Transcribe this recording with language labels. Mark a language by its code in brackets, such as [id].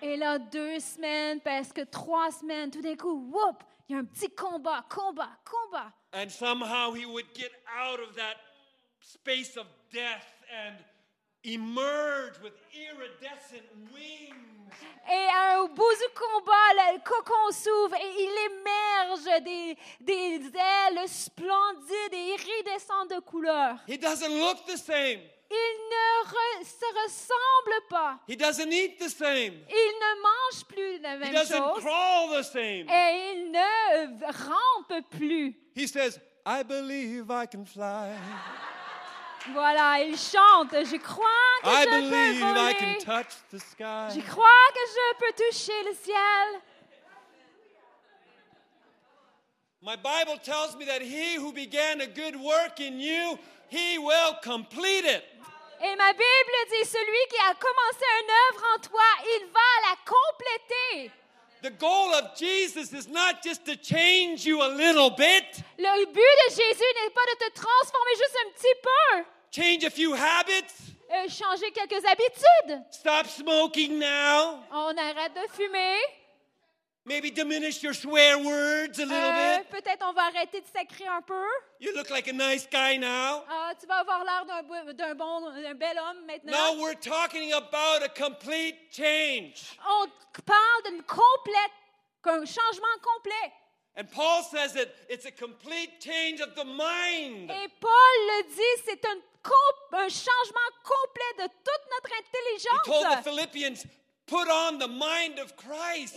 [fr] Et là, 2 semaines, presque 3 semaines, tout d'un coup, whoop, il y a un petit combat. [en] And somehow he would get out of that space of death and emerge with iridescent wings. [fr] Et au bout du combat, le cocon s'ouvre et il émerge des ailes splendides et iridescentes de couleur. [en] He doesn't look the same. [fr] Il ne se ressemble pas. [en] He doesn't eat the same. [fr] Il ne mange plus la même chose. [en] He doesn't crawl the same. [fr] Et il ne rampe plus. [en] He says, I believe I can fly. [fr] Voilà, il chante. Je crois que [en] I [fr] je peux voler. [en] I can touch the sky. [fr] Je crois que je peux toucher le ciel. [en] My Bible tells me that he who began a good work in you, he will complete it. [fr] Et ma Bible dit, celui qui a commencé une œuvre en toi, il va la compléter. [en] The goal of Jesus is not just to change you a little bit. [fr] Le but de Jésus n'est pas de te transformer juste un petit peu. [en] Change a few habits. [fr] Changer quelques habitudes. [en] Stop smoking now. [fr] On arrête de fumer. [en] Maybe diminish your swear words a little bit. [fr] Peut-être on va arrêter de sacrer un peu. [en] You look like a nice guy now. [fr] Tu vas avoir l'air d'un bel homme maintenant. [en] Now we're talking about a complete change. [fr] On parle d'un changement complet. [en] And Paul says it's a complete change of the mind. [fr] Et Paul le dit, c'est un changement complet de toute notre intelligence. [en] He told the Philippians, put on the mind of Christ.